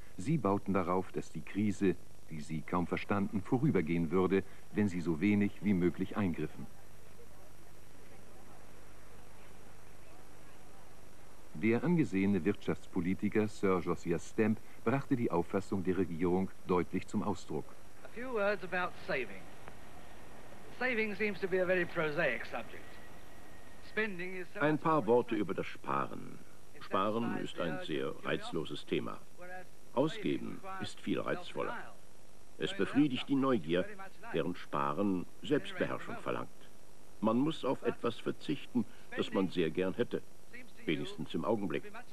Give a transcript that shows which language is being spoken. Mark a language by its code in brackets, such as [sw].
[de] Sie bauten darauf, dass die Krise, die sie kaum verstanden, vorübergehen würde, wenn sie so wenig wie möglich eingriffen. Der angesehene Wirtschaftspolitiker Sir Josiah Stamp brachte die Auffassung der Regierung deutlich zum Ausdruck. [en] A few words about saving. Saving seems to be a very prosaic subject. [de] Ein paar Worte über das Sparen. Sparen ist ein sehr reizloses Thema. Ausgeben ist viel reizvoller. Es befriedigt die Neugier, während Sparen Selbstbeherrschung verlangt. Man muss auf etwas verzichten, das man sehr gern hätte, wenigstens im Augenblick.